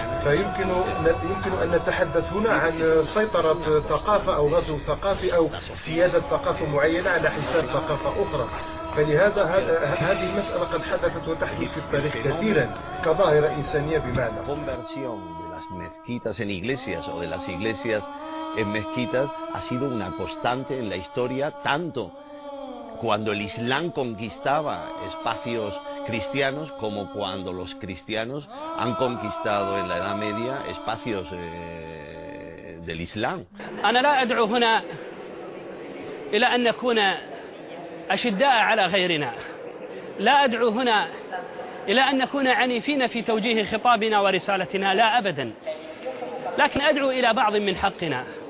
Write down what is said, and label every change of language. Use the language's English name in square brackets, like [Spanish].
[Arabic] فيمكن أن نتحدث هنا عن سيطرة ثقافة أو غزو ثقافي أو سيادة ثقافة معينة على حساب ثقافة أخرى. فلهذا هذه المسألة قد حدثت وتحدث في التاريخ كثيرا كظاهرة إنسانية بمعنى. [Spanish] conversión de las mezquitas en iglesias o de las iglesias en mezquitas ha sido una constante en la historia, tanto cuando el Islam conquistaba espacios cristianos como cuando los cristianos han conquistado en la Edad Media espacios del Islam. [Arabic] أنا لا أدعو هنا إلى أن نكون أشداء على غيرنا، لا أدعو هنا إلى أن نكون عنيفين في توجيه خطابنا ورسالتنا، لا أبدا، لكن أدعو إلى بعض من حقنا.